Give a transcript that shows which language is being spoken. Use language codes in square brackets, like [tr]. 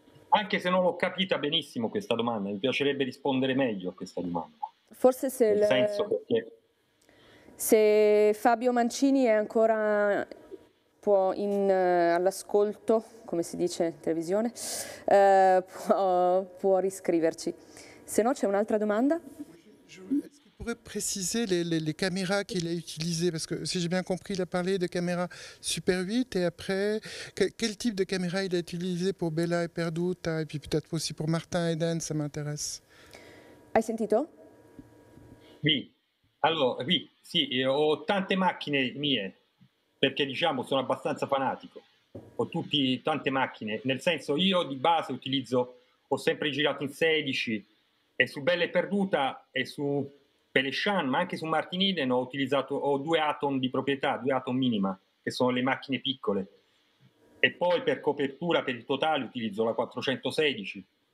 [it] Anche se non l'ho capita benissimo questa domanda, mi piacerebbe rispondere meglio a questa domanda. Forse se... Nel senso perché... Se Fabio Mancini è ancora all'ascolto, come si dice in televisione, può riscriverci. Se no c'è un'altra domanda? [fr] Pourrait préciser les caméras qu'il a utilisées, parce que si j'ai bien compris, il a parlé de caméras Super 8 et après, quel type de caméra il a utilisé pour Bella et Perduta et puis peut-être aussi pour Martin Eden, ça m'intéresse. [it] Hai sentito? [fr] Oui. Allora, oui. [it] Sì, ho tante macchine mie, perché diciamo sono abbastanza fanatico, ho tante macchine, nel senso io di base ho sempre girato in 16 e su Bella e Perduta e su Pelechan, ma anche su Martin Eden ho due Atom di proprietà, due Atom minima, che sono le macchine piccole, e poi per copertura, per il totale, utilizzo la 416.